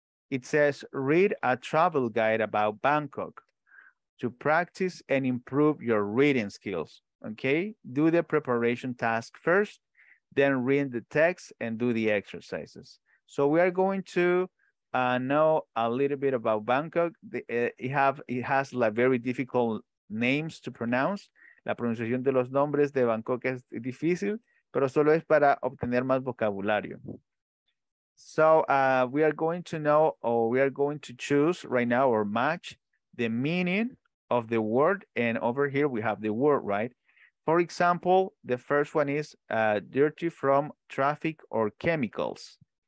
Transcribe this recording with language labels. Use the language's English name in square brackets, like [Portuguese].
[English] It says, read a travel guide about Bangkok to practice and improve your reading skills, okay? Do the preparation task first, then read the text and do the exercises. So we are going to know a little bit about Bangkok. It has like very difficult names to pronounce. [Spanish] La pronunciación de los nombres de Bangkok es difícil, pero solo es para obtener más vocabulario. [English] So we are going to know, or we are going to choose right now or match the meaning of the word. And over here we have the word, right? For example, the first one is dirty from traffic or chemicals.